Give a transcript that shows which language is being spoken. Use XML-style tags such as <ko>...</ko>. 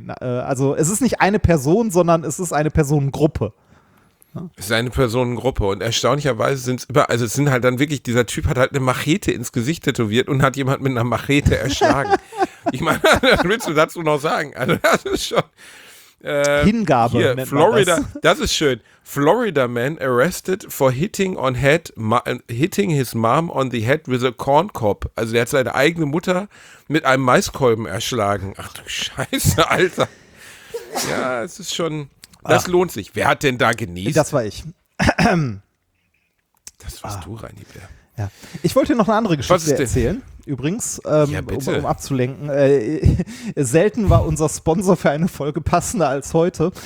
<de>Also es ist nicht eine Person, sondern es ist eine Personengruppe. Ja? Es ist eine Personengruppe und erstaunlicherweise sind es über, also es sind halt dann wirklich, dieser Typ hat halt eine Machete ins Gesicht tätowiert und hat jemand mit einer Machete erschlagen. Ich meine, was willst du dazu noch sagen? Also das ist schon... Hingabe. Hier, Florida, das ist schön.</de> <en>Florida man arrested for hitting his mom on the head with a corn cob.</en> <de>Also der hat seine eigene Mutter mit einem Maiskolben erschlagen. Ach du Scheiße, Alter. Ja, es ist schon, das lohnt sich. Wer hat denn da genießt? Das war ich. Das warst du, Reini Bär. Ja. Ich wollte dir noch eine andere Geschichte erzählen. Übrigens, um abzulenken, selten war unser Sponsor für eine Folge passender als heute.</de>